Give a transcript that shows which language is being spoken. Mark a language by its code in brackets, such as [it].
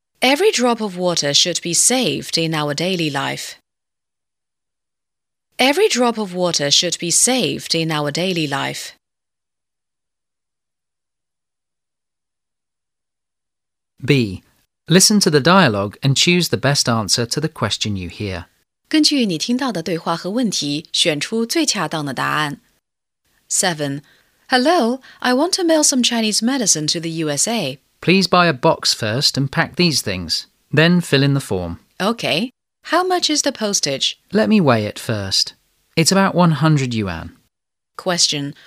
[en] Every drop of water should be saved in our daily life. Every drop of water should be saved in our daily life. B. Listen to the dialogue and choose the best answer to the question you hear. [zh] 根据你听到的对话和问题，选出最恰当的答案。 [en] 7. Hello, I want to mail some Chinese medicine to the USA. Please buy a box first and pack these things. Then fill in the form. Okay. How much is the postage? Let me weigh it first. It's about 100 yuan. Question.